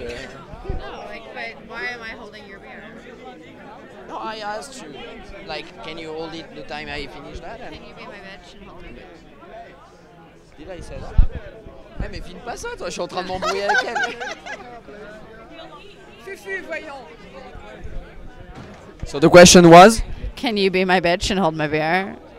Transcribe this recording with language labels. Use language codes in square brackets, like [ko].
[en] No, like, but why am I holding your beer? No, I asked you. Like, can you hold it the time I finish that? Can you be my bitch and hold my beer? Did I say that? [fr] Hey, mais filme pas ça, toi, je suis en train de m'embrouiller avec elle. Fufu, voyons. [en] So the question was? Can you be my bitch and hold my beer?